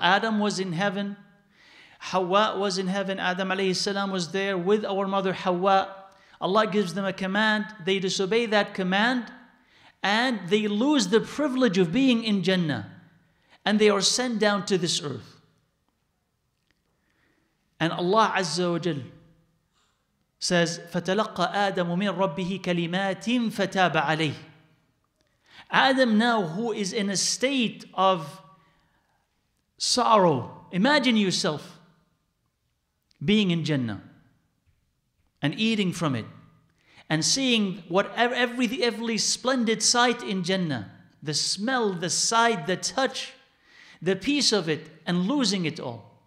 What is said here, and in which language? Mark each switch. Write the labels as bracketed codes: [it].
[en] Adam was in heaven. Hawa was in heaven. Adam alayhi salam was there with our mother Hawa. Allah gives them a command. They disobey that command and they lose the privilege of being in Jannah. And they are sent down to this earth. And Allah Azza wa Jal says, [ar] فَتَلَقَّ آدَمُ مِنْ رَبِّهِ كَلِمَاتٍ فَتَابَ عَلَيْهِ. [en] Adam now, who is in a state of sorrow, imagine yourself being in Jannah and eating from it and seeing whatever every splendid sight in Jannah, the smell, the sight, the touch, the peace of it, and losing it all.